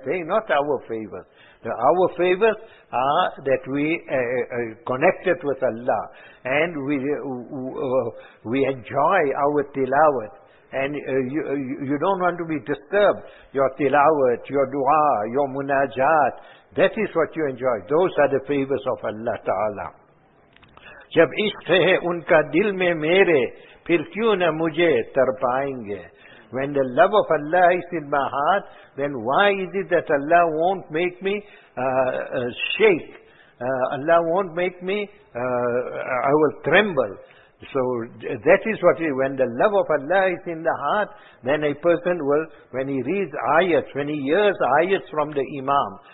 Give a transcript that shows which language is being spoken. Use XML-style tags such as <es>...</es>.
<en>They are not our favors. Our favors are that we connected with Allah, and we enjoy our tilawat. And you don't want to be disturbed. Your tilawat, your dua, your munajat, that is what you enjoy. Those are the favors of Allah Ta'ala.</en> <ur>جب عشق ہے ان کا دل میں میرے پھر کیوں نہ مجھے ترپائیں گے.</ur> <en>When the love of Allah is in my heart, then why is it that Allah won't make me shake? Allah won't make me, I will tremble. So that is what it is. When the love of Allah is in the heart, then a person will, when he reads ayats, when he hears ayats from the imam,</en>